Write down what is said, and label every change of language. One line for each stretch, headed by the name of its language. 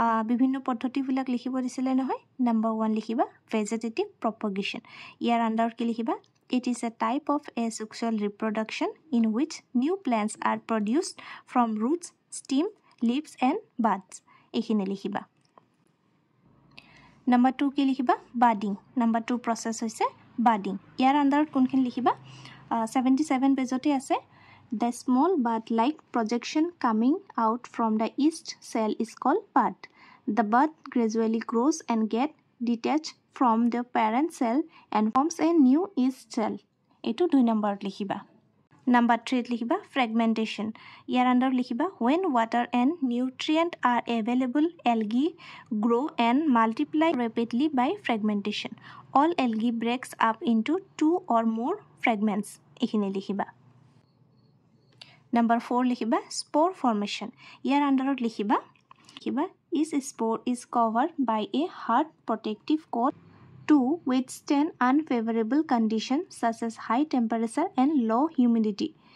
Assamese: বিভিন্ন পদ্ধতিবিলাক লিখিব দিছিলে নহয়। নম্বৰ 1 লিখিবা, ভেজিটেটিভ প্ৰপগেশ্যন, ইয়াৰ আণ্ডাৰত কি লিখিবা,
English: it is a type of asexual reproduction in which new plants are produced from roots, stem, leaves and buds,
Assamese: এইখিনি লিখিবা। নম্বৰ 2 কি লিখিবা, বাডিং, নম্বৰ 2 প্ৰচেছ হৈছে বাডিং, ইয়াৰ আণ্ডাৰত কোনখিনি লিখিবা, 77 পেজতে আছে।
English: The small bud-like projection coming out from the yeast cell is called bud. The bud gradually grows and gets detached from the parent cell and forms a new yeast cell.
Assamese: Eto 2 number likhiba. Number 3 likhiba, fragmentation.
English: Here under
Assamese: likhiba,
English: when water and nutrient are available, algae grow and multiply rapidly by fragmentation. All algae breaks up into two or more fragments.
Assamese: Ekhine likhiba. Number 4 লিখিবা, স্পৰ formation, ইয়াৰ আণ্ডাৰত লিখিবা,
English: কিবা is spore is cover by a hard protective coat to withstand unfavourable condition such as high temperature and low' humidity.